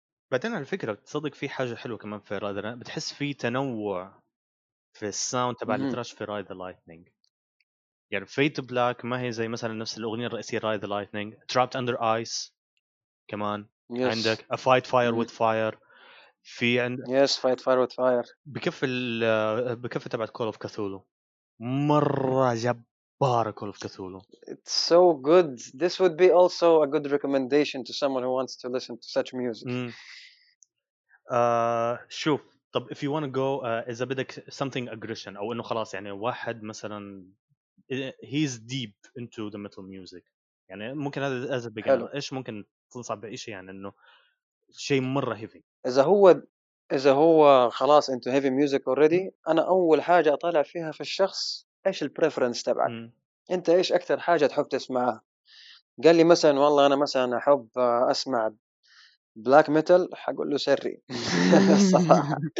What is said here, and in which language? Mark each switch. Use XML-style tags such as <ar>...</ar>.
<ar>بعدين على فكرة تصدق في حاجة حلوة كمان في رايدر، بتحس في تنوع في الساوند تبع التراش في رايدر لايتنينج. يعني فيت بلاك ما هي زي مثلا نفس الأغنية الرئيسية رايدر لايتنينج، ترابت أندر آيس كمان</ar> <en>yes.</en> <ar>عندك A Fight Fire With Fire، في عندك</ar> <en>Yes Fight Fire With Fire</en> <ar>بكف بكف تبع Call of Cthulhu، مرة جبارة Call of Cthulhu.</ar> <en>It's so good. This would be also a good recommendation to someone who wants to listen to such music.</en> <ar>شوف طب</ar> <en>if you want to go</en> <ar>إذا بدك</ar> <en>something aggression</en> <ar>أو إنه خلاص يعني واحد مثلا</ar> <en>he's deep into the metal music،</en> <ar>يعني ممكن هذا</ar> <en>as a beginner.</en> <ar>إيش ممكن تنصح بأي شيء يعني إنه شيء مرة heavy؟ إذا هو خلاص</ar> <en>into heavy music already،</en> <ar>أنا أول حاجة أطالع فيها في الشخص إيش preference تبعك. أنت إيش أكثر حاجة تحب تسمعها؟ قال لي مثلا والله أنا مثلا أحب أسمع بلاك ميتال، حقول له سري صراحه.</ar>